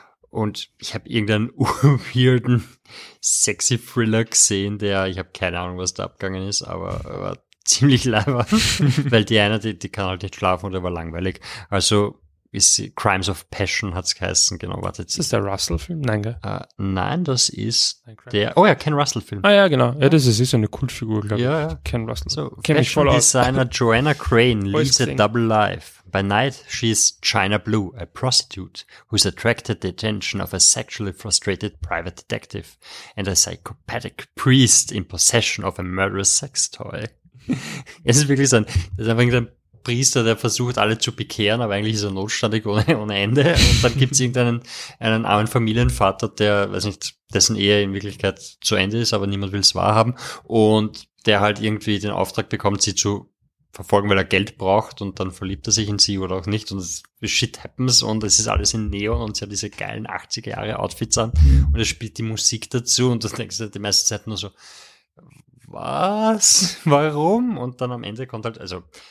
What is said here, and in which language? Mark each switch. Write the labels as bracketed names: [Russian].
[German] Und ich habe irgendeinen weirden sexy Thriller gesehen, ich habe keine Ahnung, was da abgegangen ist, aber war ziemlich leiber, weil die eine, die kann halt nicht schlafen und der war langweilig. Also ist sie, Crimes of Passion hat es geheißen, genau, wartet. Ist das der Russell-Film? Nein, gell? Nein, das ist der, oh ja, Ken Russell-Film. Ah ja, genau, ja, das ist eine Kultfigur, glaube ich. Ja, Ken Russell. [English] So, Fashion-Designer Joanna Crane leads a double life. By night, she is China Blue, a prostitute who's attracted the attention of a sexually frustrated private detective and a psychopathic priest in possession of a murderous sex toy. [German] Es ist wirklich so ein, das ist einfach ein Priester, der versucht, alle zu bekehren, aber eigentlich ist er notstandig ohne Ende. Und dann gibt es irgendeinen armen Familienvater, der, weiß nicht, dessen Ehe in Wirklichkeit zu Ende ist, aber niemand will es wahrhaben. Und der halt irgendwie den Auftrag bekommt, sie zu verfolgen, weil er Geld braucht und dann verliebt er sich in sie oder auch nicht und shit happens und es ist alles in Neon und sie hat diese geilen 80er Jahre Outfits an und es spielt die Musik dazu und du denkst halt die meiste Zeit nur so, was? Warum? Und dann am Ende kommt halt, also